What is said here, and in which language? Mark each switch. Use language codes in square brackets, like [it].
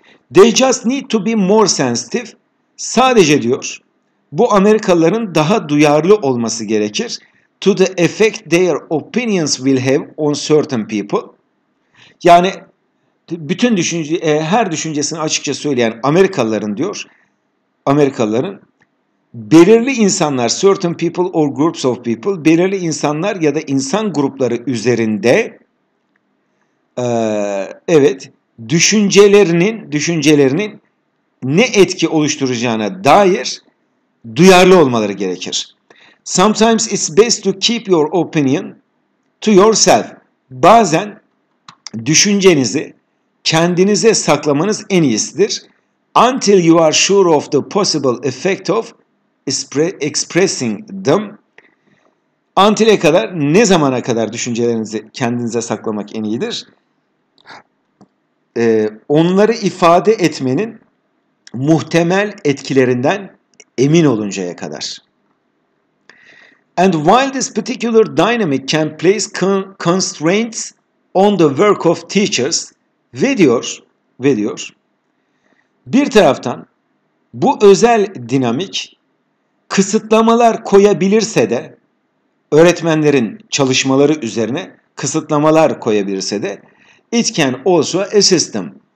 [en] They just need to be more sensitive. [tr] Sadece diyor, bu Amerikalıların daha duyarlı olması gerekir. [en] To the effect their opinions will have on certain people. [tr] Yani bütün düşünce, her düşüncesini açıkça söyleyen Amerikalıların diyor, Amerikalıların belirli insanlar, [en] certain people or groups of people, [tr] belirli insanlar ya da insan grupları üzerinde, evet, düşüncelerinin ne etki oluşturacağına dair duyarlı olmaları gerekir. [en] Sometimes it's best to keep your opinion to yourself. [tr] Bazen düşüncenizi kendinize saklamanız en iyisidir. [en] Until you are sure of the possible effect of expressing them. [tr] Until'e kadar, ne zamana kadar düşüncelerinizi kendinize saklamak en iyidir? Onları ifade etmenin muhtemel etkilerinden emin oluncaya kadar. [en] And while this particular dynamic can place constraints on the work of teachers, [tr] ve diyor, bir taraftan bu özel dinamik kısıtlamalar koyabilirse de, [en] öğretmenlerin çalışmaları üzerine kısıtlamalar koyabilirse de, it can also assist them.